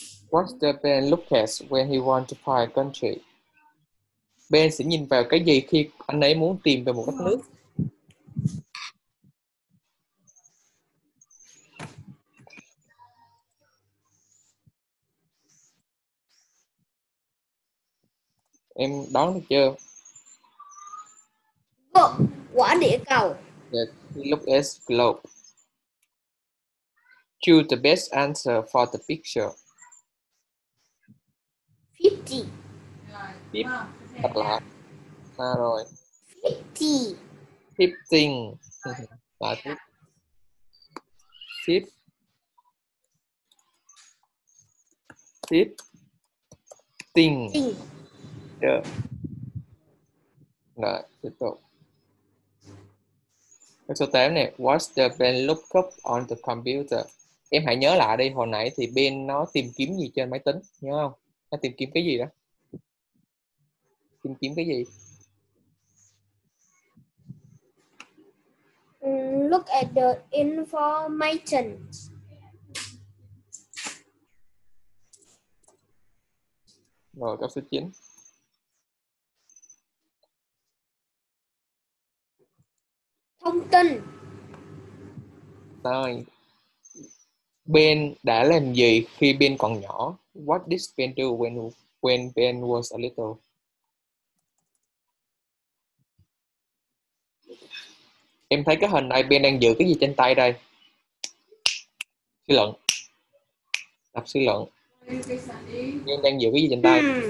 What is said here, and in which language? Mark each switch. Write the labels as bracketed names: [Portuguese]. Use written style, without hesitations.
[English] What does Ben look at when he want to find a country? [Vietnamese] Ben sẽ nhìn vào cái gì khi anh ấy muốn tìm về một đất nước? Em đoán được chưa? Oh, quả địa cầu. [English] Yeah, look at globe. Choose the best answer for the picture. 50. [Vietnamese] Tiếp. Thật là. À rồi. 50. 50. Là tiếp. Tiếp. Tiếp. Tình. Yeah. Rồi, tiếp tục. Câu số 8 này. [English] What's the Ben look up on the computer? [Vietnamese] Em hãy nhớ lại đi, hồi nãy thì Ben nó tìm kiếm gì trên máy tính, nhớ không? Nó tìm kiếm cái gì đó? Tìm kiếm cái gì? [English] Look at the information. [Vietnamese] Rồi, câu số 9. Thông tin. Rồi. Ben đã làm gì khi Ben còn nhỏ? [English] What did Ben do when Ben was a little? [Vietnamese] Em thấy cái hình này Ben đang giữ cái gì trên tay đây? Suy luận. Đọc suy luận. Ben đang giữ cái gì trên tay?